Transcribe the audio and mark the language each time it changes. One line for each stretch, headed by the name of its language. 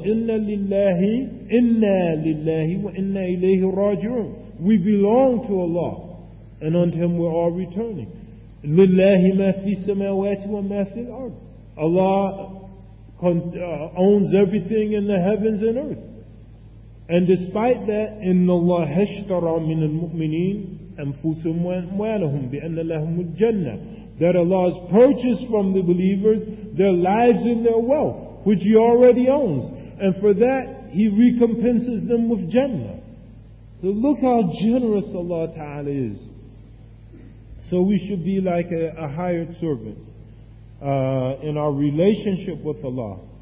Arabic: Inna lillahi wa inna ilayhi raji'un.
English: We belong to Allah, and unto Him we're all returning.
Arabic: Lillahi ma fi samawati wa ma fi al-ard.
English: Allah owns everything in the heavens and earth. And despite that,
Arabic: إِنَّ اللَّهَ هَشْتَرَى مِنَ الْمُؤْمِنِينَ أَنفُسُهُمْ وَأَمْوَالَهُمْ بِأَنَّ لَهُمُ الْجَنَّةَ.
English: That Allah has purchased from the believers their lives and their wealth, which He already owns. And for that, He recompenses them with Jannah. So look how generous Allah Ta'ala is. So we should be like a hired servant in our relationship with Allah.